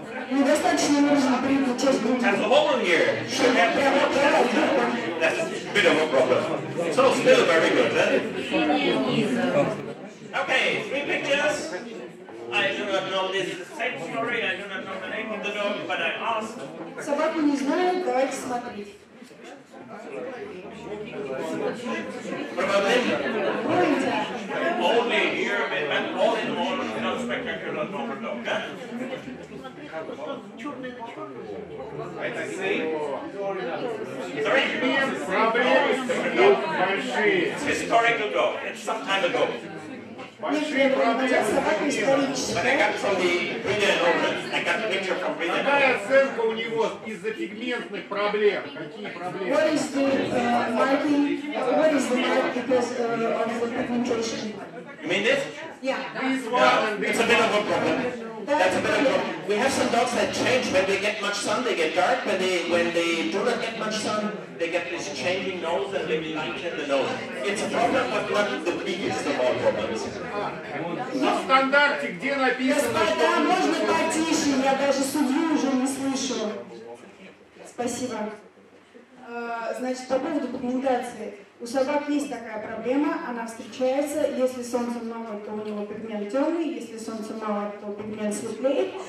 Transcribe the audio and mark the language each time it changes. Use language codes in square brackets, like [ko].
[ru] Недостаточно нужно прыгнуть часть груди. [en] And the woman here should have a lot of help. That's a bit of a problem. So still very good, then. Okay, three pictures. I do not know, this is the same story, I do not know the name of the dog, but I asked. [ru] Собаку не знаю, давайте смотреть. [en] Probably. Only here, and all in all, you know, spectacular normal dog, huh? It's historical dog, it's some time ago. When I got from the Britain Open, I got a picture from Britain Open. [ru] Какая оценка у него из-за пигментных проблем? Какие проблемы? [en] What is the marking? What is the mark because of the pigmentation? You mean this? Yeah. This one. It's a bit of a problem. That's a bit of a problem. We have some dogs that change when they get much sun, they get dark. When they do not get much sun, they get this changing nose and they lighten the nose. It's a problem, but not the biggest of all problems. [ru] На стандарте где написано, что... Господа, можно потише? Я даже судью уже не слышу. Спасибо. Значит, по поводу пигментации. У собак есть такая проблема, она встречается, если солнца много, то у него пигмент темный, если солнца мало, то пигмент светлее.